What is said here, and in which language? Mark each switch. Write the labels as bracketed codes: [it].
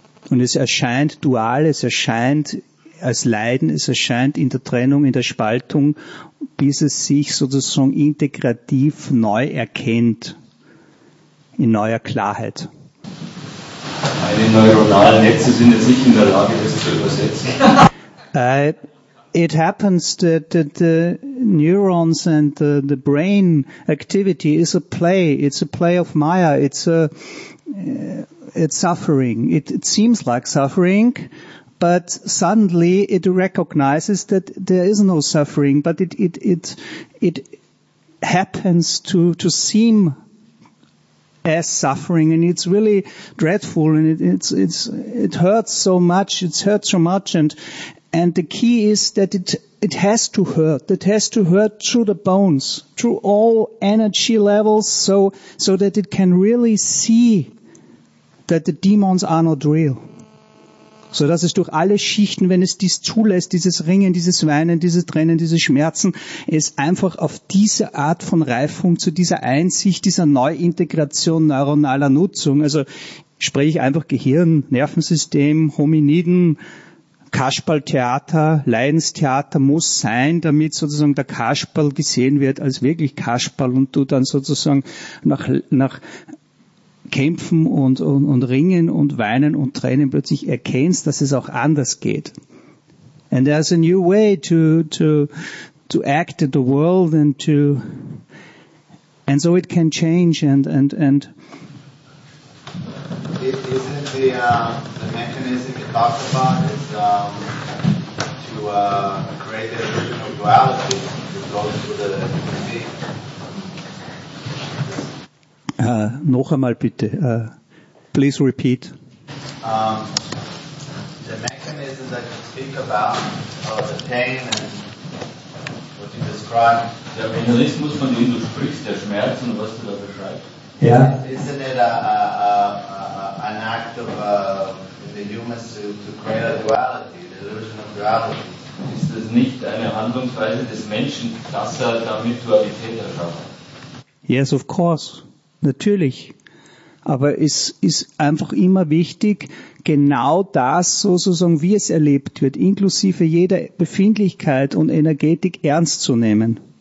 [de] Und es erscheint dual, es erscheint als Leiden, es erscheint in der Trennung, in der Spaltung, bis es sich sozusagen integrativ neu erkennt, in neuer Klarheit. Meine neuronalen Netze sind jetzt nicht in der Lage, das zu übersetzen. [en] It happens that the neurons and the brain activity is a play. It's a play of Maya. It's suffering. It seems like suffering, but suddenly it recognizes that there is no suffering. But it happens to seem as suffering, and it's really dreadful, and it hurts so much. It hurts so much, And the key is that it has to hurt. It has to hurt through the bones, through all energy levels, so that it can really see that the demons are not real. [de] So dass es durch alle Schichten, wenn es dies zulässt, dieses Ringen, dieses Weinen, diese Tränen, diese Schmerzen, es einfach auf diese Art von Reifung zu dieser Einsicht, dieser Neuintegration neuronaler Nutzung, also sprich einfach Gehirn, Nervensystem, Hominiden, Kasperl-Theater, Leidenstheater muss sein, damit sozusagen der Kasperl gesehen wird als wirklich Kasperl und du dann sozusagen nach Kämpfen und Ringen und Weinen und Tränen plötzlich erkennst, dass es auch anders geht. [en] And there's a new way to act in the world and so it can change and isn't the mechanism you talk about is to create a version of duality that goes to the TV? [de] Noch einmal bitte. [en] Please repeat. The mechanism that you speak about, or the pain and what you describe. [de] Der Mechanismus, von dem du sprichst, der Schmerz und was du da beschreibst. [en] Yeah. Isn't it an act of the humans to create a duality, the illusion of duality? [de] Ist es nicht eine Handlungsweise des Menschen, dass er damit Dualität erschafft? [en] Yes, of course. [de] Natürlich. Aber es ist einfach immer wichtig, genau das sozusagen, wie es erlebt wird, inklusive jeder Befindlichkeit und Energetik ernst zu nehmen.